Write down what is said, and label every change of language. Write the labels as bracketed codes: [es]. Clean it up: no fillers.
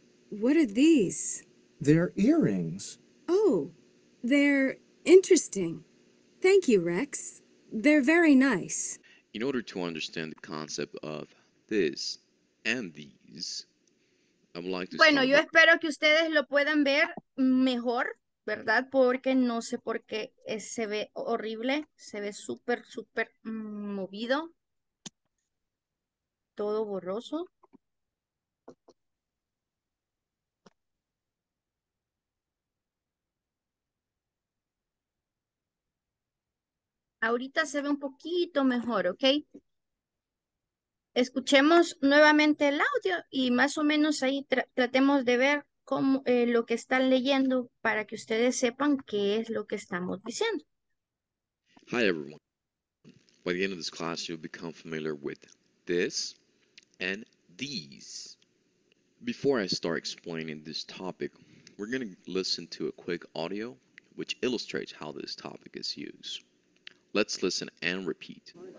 [en] What are these? They're earrings. Oh, they're interesting. Thank you, Rex. They're very nice. In order to understand the concept of this and these, I would like to. [es] Bueno, yo espero que ustedes lo puedan ver mejor, ¿verdad? Porque no sé por qué se ve horrible, se ve súper, súper movido, todo borroso. Ahorita se ve un poquito mejor, ¿ok? Escuchemos nuevamente el audio y más o menos ahí tratemos de ver cómo, lo que están leyendo para que ustedes sepan qué es lo que estamos diciendo. [en] Hi, everyone. By the end of this class, you'll become familiar with this and these. Before I start explaining this topic, we're going to listen to a quick audio which illustrates how this topic is used. Let's listen and repeat.